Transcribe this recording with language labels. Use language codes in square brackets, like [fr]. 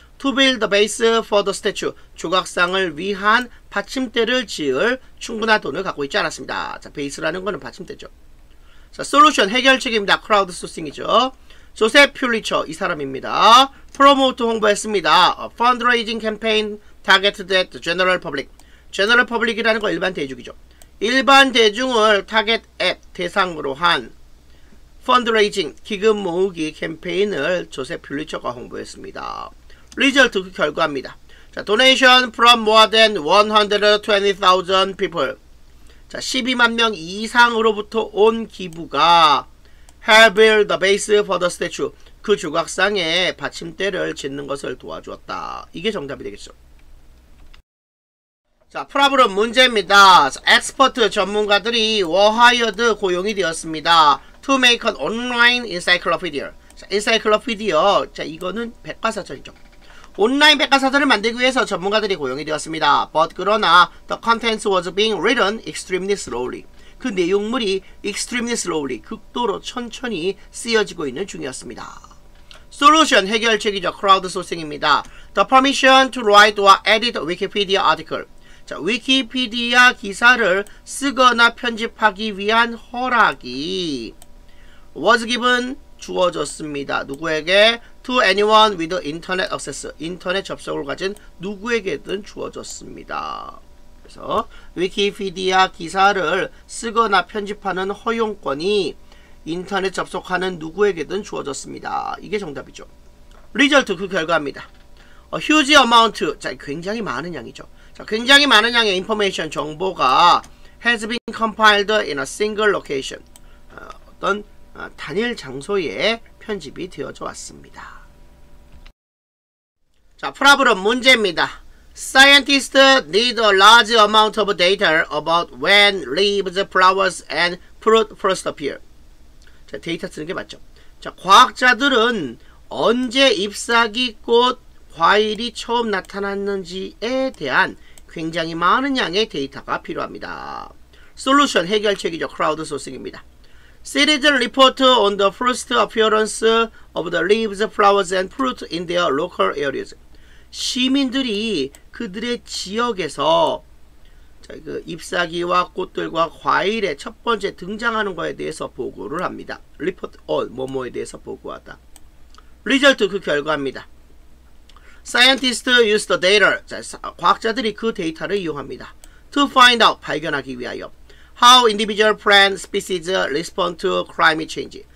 [en] To build the base for the statue, [ko] 조각상을 위한 받침대를 지을 충분한 돈을 갖고 있지 않았습니다. 자, 베이스라는 거는 받침대죠. 자, 솔루션, 해결책입니다. 크라우드 소싱이죠. 조셉 퓰리처, 이 사람입니다. 프로모트 홍보했습니다. [en] A fundraising campaign targeted at the general public. [ko] General public이라는 건 일반 대중이죠. 일반 대중을 target at, 대상으로 한 fundraising, 기금 모으기 캠페인을 조셉 퓰리처가 홍보했습니다. [en] Result, [ko] 그 결과입니다. [en] 자, donation from more than 120,000 people. [ko] 자, 12만 명 이상으로부터 온 기부가 [en] help build the base for the statue. [ko] 그 조각상에 받침대를 짓는 것을 도와주었다. 이게 정답이 되겠죠. 자, 프로블럼 문제입니다. 엑스퍼트 전문가들이 워하이어드 고용이 되었습니다. [en] To make an online encyclopedia. 자, encyclopedia. [ko] 자, 이거는 백과사전이죠. 온라인 백과사전을 만들기 위해서 전문가들이 고용이 되었습니다. [en] But 그러나 the contents was being written extremely slowly. [ko] 그 내용물이 [en] extremely slowly, [ko] 극도로 천천히 쓰여지고 있는 중이었습니다. [en] Solution, [ko] 해결책이죠. [en] Crowdsourcing입니다. The permission to write or edit Wikipedia article. [ko] 자, 위키피디아 기사를 쓰거나 편집하기 위한 허락이 [en] was given, [ko] 주어졌습니다. 누구에게? [en] To anyone with internet access. [ko] 인터넷 접속을 가진 누구에게든 주어졌습니다. 그래서 위키피디아 기사를 쓰거나 편집하는 허용권이 인터넷 접속하는 누구에게든 주어졌습니다. 이게 정답이죠. Result, 그 결과입니다. [en] A huge amount. [ko] 자, 굉장히 많은 양이죠. 자, 굉장히 많은 양의 information, 정보가 [en] has been compiled in a single location. [ko] 어떤 단일 장소에 편집이 되어져 왔습니다. 자, 프로블럼 문제입니다. [en] Scientists need a large amount of data about when leaves, flowers, and fruit first appear. [ko] 자, 데이터 쓰는 게 맞죠. 자, 과학자들은 언제 잎사귀 꽃, 과일이 처음 나타났는지에 대한 굉장히 많은 양의 데이터가 필요합니다. Solution, 해결책이죠. Crowdsourcing입니다. [en] Series report on the first appearance of the leaves, flowers, and fruit in their local areas. [ko] 시민들이 그들의 지역에서 그 잎사귀와 꽃들과 과일의 첫 번째 등장하는 것에 대해서 보고를 합니다. Report on 뭐뭐에 대해서 보고하다. Result, 그 결과입니다. [en] Scientists use the data. [ko] 자, 과학자들이 그 데이터를 이용합니다. To find out, 발견하기 위하여. [en] How individual plant species respond to climate change.